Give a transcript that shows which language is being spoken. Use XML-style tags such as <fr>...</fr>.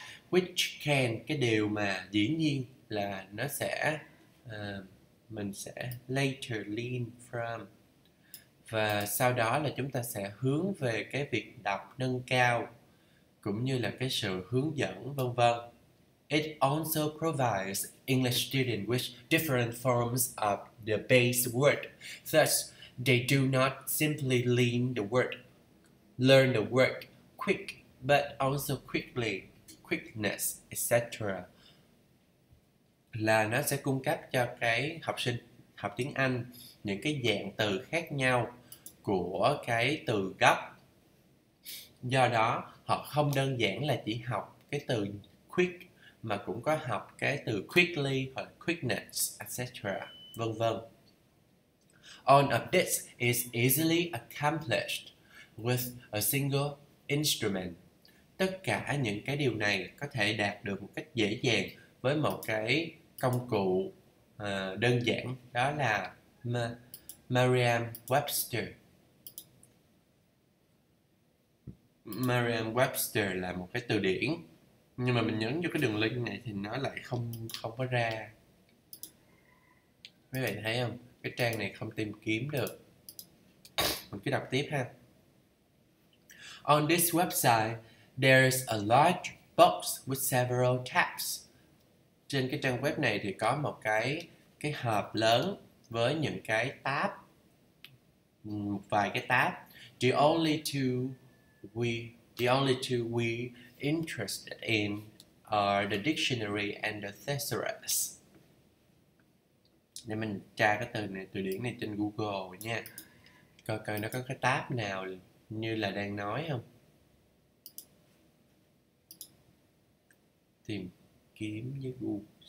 <en>Which can,</en> <vi>cái điều mà dĩ nhiên là nó sẽ mình sẽ</vi> <en>later lean from,</en> <vi>và sau đó là chúng ta sẽ hướng về cái việc đọc nâng cao cũng như là cái sự hướng dẫn vân vân.</vi> <en>It also provides English students with different forms of the base word. Thus, they do not simply lean the word, learn the word quick, but also quickly, quickness, etc.</en> <vi>Là nó sẽ cung cấp cho cái học sinh học tiếng Anh những cái dạng từ khác nhau của cái từ gốc. Do đó, họ không đơn giản là chỉ học cái từ quick mà cũng có học cái từ quickly hoặc quickness, etc. vân vân.</vi> <en>All of this is easily accomplished with a single instrument.</en> <vi>Tất cả những cái điều này có thể đạt được một cách dễ dàng với một cái công cụ đơn giản, đó là Merriam-Webster. Merriam-Webster là một cái từ điển, nhưng mà mình nhấn vô cái đường link này thì nó lại không không có ra. Mấy bạn thấy không? Cái trang này không tìm kiếm được. Mình cứ đọc tiếp ha.</vi> <en>On this website, there's a large box with several tabs.</en> <vi>Trên cái trang web này thì có một cái hộp lớn với những cái tab, một vài cái tab.</vi> <en>The only two we interested in are the dictionary and the thesaurus.</en> <vi>Để mình tra cái từ này, từ điển này trên Google nha. Coi coi nó có cái tab nào như là đang nói không. Tìm kiếm với Google.</vi>